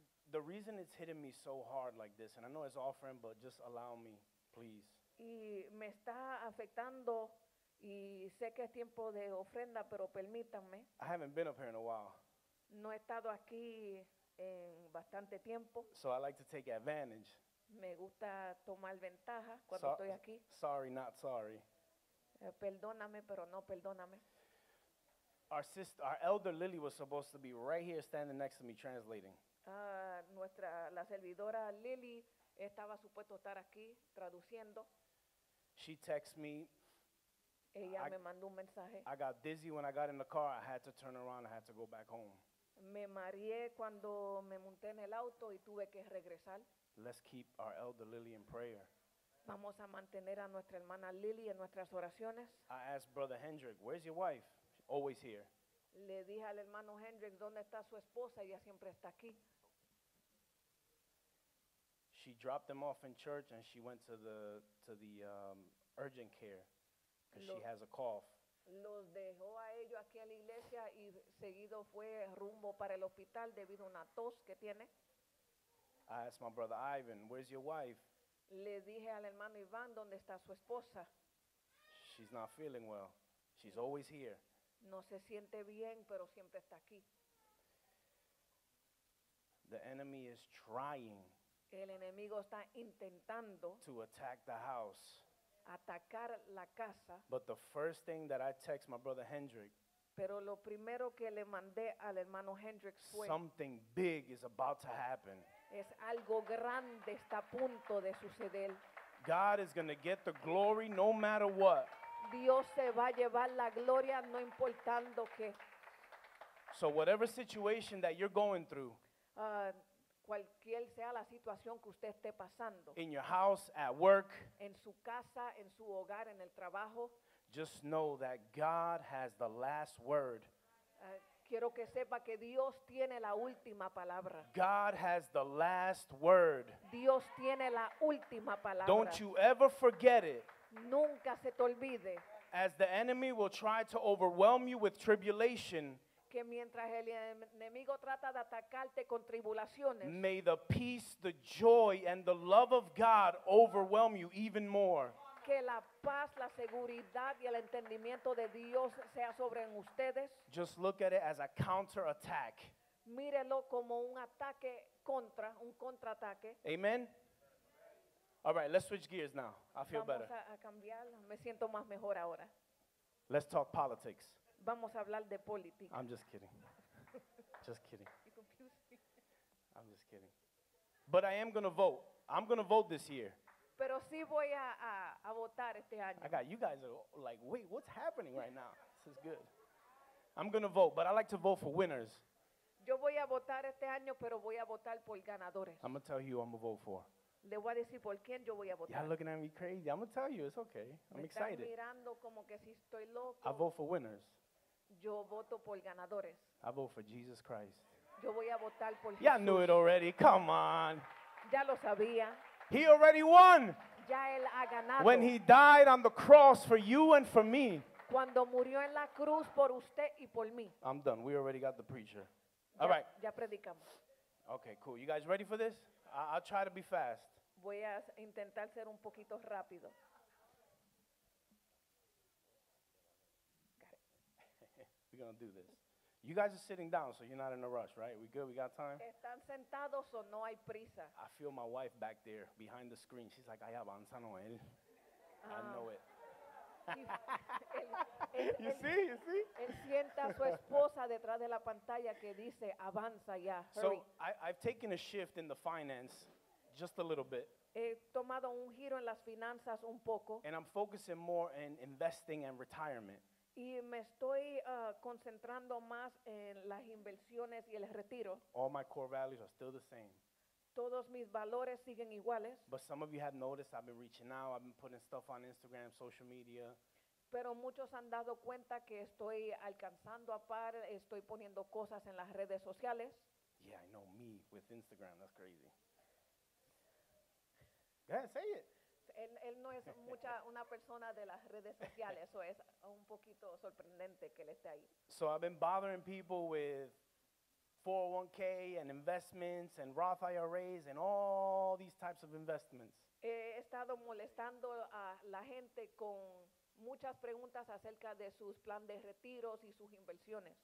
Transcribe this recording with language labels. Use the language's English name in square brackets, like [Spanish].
[English] The reason it's hitting me so hard like this, and I know it's offering, but just allow me, please. [Spanish] Y me está afectando, y sé que es tiempo de ofrenda, pero permítanme. [English] I haven't been up here in a while. [Spanish] No he estado aquí en bastante tiempo. [English] So I like to take advantage. [Spanish] Me gusta tomar ventaja cuando estoy aquí. [English] Sorry, not sorry. [Spanish] Perdóname, pero no perdóname. [English] Our sister, our elder Lily was supposed to be right here standing next to me translating. [Spanish] La servidora Lily estaba supuesto estar aquí traduciendo. [English] She texted me. [Spanish] Ella me mandó un mensaje. [English] I got dizzy when I got in the car. I had to turn around. I had to go back home. [Spanish] Me mareé cuando me monté en el auto y tuve que regresar. [English] Let's keep our elder Lily in prayer. [Spanish] Vamos a mantener a nuestra hermana Lily en nuestras oraciones. [English] I asked Brother Hendrick, where's your wife? Always here. [Spanish] Le dije al hermano Hendrick, ¿dónde está su esposa? Ella siempre está aquí. [English] She dropped them off in church and she went to the urgent care because she has a cough. [Spanish] Los dejó a ellos aquí en la iglesia y seguido fue rumbo para el hospital debido a una tos que tiene. [English] I asked my brother Ivan, where's your wife? [Spanish] Le dije al hermano Iván, ¿dónde está su esposa? [English] She's not feeling well. She's always here. [Spanish] No se siente bien, pero siempre está aquí. [English] The enemy is trying. [Spanish] El enemigo está intentando. [English] To attack the house. [Spanish] Atacar la casa. [English] But the first thing that I text my brother Hendrick. [Spanish] Pero lo primero que le mandé al hermano Hendrick fue. [English] Something big is about to happen. [Spanish] Es algo grande está a punto de suceder. [English] God is going to get the glory no matter what. [Spanish] Dios se va a llevar la gloria no importando qué. [English] So whatever situation that you're going through. [Spanish] Cualquier sea la situación que usted esté pasando. [English] In your house, at work. [Spanish] En su casa, en su hogar, en el trabajo. [English] Just know that God has the last word. [Spanish] Quiero que sepa que Dios tiene la última palabra. [English] God has the last word. [Spanish] Dios tiene la última palabra. [English] Don't you ever forget it. [Spanish] Nunca se te olvide. [English] As the enemy will try to overwhelm you with tribulation, [Spanish] que mientras el enemigo trata de atacarte con tribulaciones, [English] may the peace, the joy, and the love of God overwhelm you even more. Amen. [Spanish] Que la paz, la seguridad y el entendimiento de Dios sea sobre en ustedes. [English] Just look at it as a counterattack. [Spanish] Mírelo como un ataque contra, un contraataque. [English] Amen. All right, let's switch gears now. I feel [Spanish] Vamos [English] better. [Spanish] Vamos a cambiar. Me siento más mejor ahora. [English] Let's talk politics. [Spanish] Vamos a hablar de política. [English] I'm just kidding. Just kidding. I'm just kidding. But I am going to vote. I'm going to vote this year. [Spanish] Pero sí voy a votar este año. [English] I got you guys are like, wait, what's happening right now? This is good. I'm going to vote, but I like to vote for winners. [Spanish] Yo voy a votar este año, pero voy a votar por ganadores. [English] I'm going to tell you who I'm going to vote for. [Spanish] Le voy a decir por quién yo voy a votar. [English] Y'all looking at me crazy. I'm going to tell you, it's okay. I'm me excited. [Spanish] Están mirando como que si estoy loco. [English] I vote for winners. [Spanish] Yo voto por ganadores. [English] I vote for Jesus Christ. [Spanish] Yo voy a votar por [English] Jesús. Y'all knew it already. Come on. [Spanish] Ya lo sabía. [English] He already won. [Spanish] Ya él ha ganado. [English] When he died on the cross for you and for me. [Spanish] Cuando murió en la cruz por usted y por mí. [English] I'm done. We already got the preacher. [Spanish] Ya, [English] all right. [Spanish] Ya predicamos. [English] Okay, cool. You guys ready for this? I'll try to be fast. [Spanish] Voy a intentar ser un poquito rápido. [English] Got it. We're going to do this. You guys are sitting down, so you're not in a rush, right? We good? We got time? [Spanish] Están sentados o no hay prisa. [English] I feel my wife back there behind the screen. She's like, [Spanish] ay, avanza, [English] Noel. I know it. You see? [Spanish] Él sienta su esposa detrás de la pantalla que dice, avanza ya, [English] hurry. So I've taken a shift in the finance just a little bit. [Spanish] He tomado un giro en las finanzas un poco. [English] And I'm focusing more in investing and retirement. [Spanish] Y me estoy concentrando más en las inversiones y el retiro. [English] All my core values are still the same. [Spanish] Todos mis valores siguen iguales. [English] But some of you have noticed I've been reaching out. I've been putting stuff on Instagram, social media. [Spanish] Pero muchos han dado cuenta que estoy alcanzando a par. Estoy poniendo cosas en las redes sociales. [English] Yeah, I know me with Instagram. That's crazy. Go ahead, say it. [Spanish] Él no es mucha una persona de las redes sociales. Eso es un poquito sorprendente que él esté ahí. [English] So I've been bothering people with 401k and investments and Roth IRAs and all these types of investments. [Spanish] He estado molestando a la gente con muchas preguntas acerca de sus planes de retiros y sus inversiones.